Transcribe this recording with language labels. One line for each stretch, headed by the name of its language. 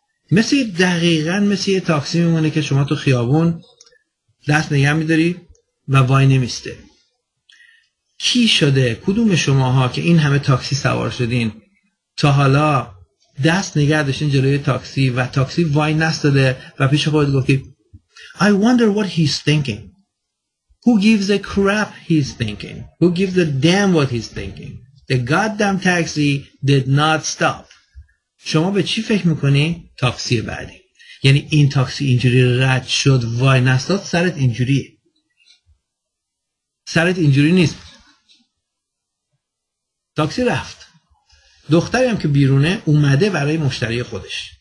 Persian: مثل دقیقا مثل یه تاکسی میمونه که شما تو خیابون دست نگه میداری و وای نمیسته. کی شده کدوم شماها که این همه تاکسی سوار شدین تا حالا دست نگه داشتین جلوی تاکسی و تاکسی وای نستاده و پیش خود گفتی
English: I wonder what he's thinking. Who gives a crap he's thinking. Who gives a damn what he's thinking. The goddamn taxi did not stop.
Persian: شما به چی فکر میکنی؟ تاکسی بعدی. یعنی این تاکسی اینجوری رد شد وای نستاد، سرت اینجوریه. سرت اینجوری نیست. تاکسی رفت. دختری هم که بیرونه اومده برای مشتری خودش.